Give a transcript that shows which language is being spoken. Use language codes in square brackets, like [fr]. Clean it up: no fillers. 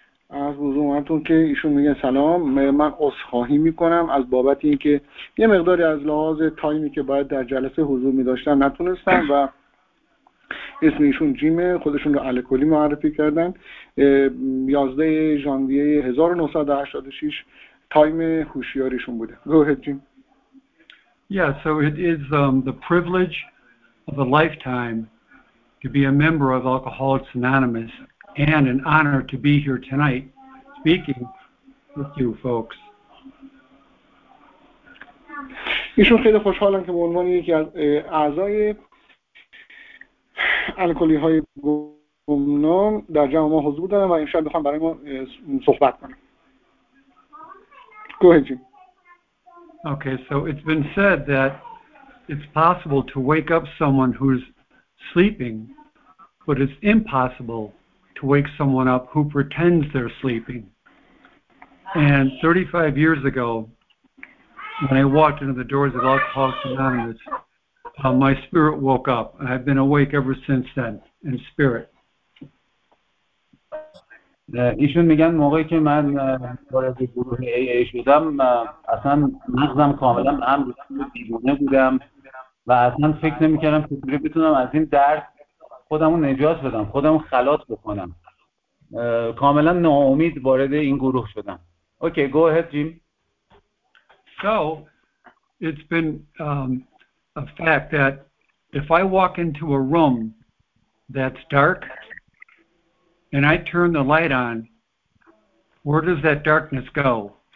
[fa] از بزرگ مردم که ایشون میگه سلام، من عذرخواهی میکنم از بابت اینکه یه مقداری از لحاظ تایمی که باید در جلسه حضور میداشتم نتونستم و اسم ایشون جیمه، خودشون رو الکلی معرفی کردن. 11 ژانویه 1986 تایم هوشیاریشون بوده. [en] Go ahead, Jim. Yeah, so it is the privilege of a lifetime to be a member of Alcoholics Anonymous and an honor to be here tonight speaking with you folks. [fa] ایشون خیلی خوشحالن که به عنوان یکی از اعضای الکلی های گمنام در جمع ما حضور دارن و امشب بخوام برای ما صحبت کنم. [en] Go ahead, Jim. Okay, so it's been said that it's possible to wake up someone who's sleeping, but it's impossible to wake someone up who pretends they're sleeping. And 35 years ago, when I walked into the doors of Alcoholics Anonymous, my spirit woke up. I've been awake ever since then, in spirit. [fa] ایشون میگن موقعی که من وارد گروه ای ای شدم اصلا مغزم کاملا هم دیوانه بودم و اصلا فکر نمیکردم که بتونم از این درد خودمو نجات بدم، خودمو خلاص بکنم. کاملا ناامید وارد این گروه شدم. [en] Okay, go ahead Jim. So it's been a fact that if I walk into a room that's dark and I turn the light on, where does that darkness go?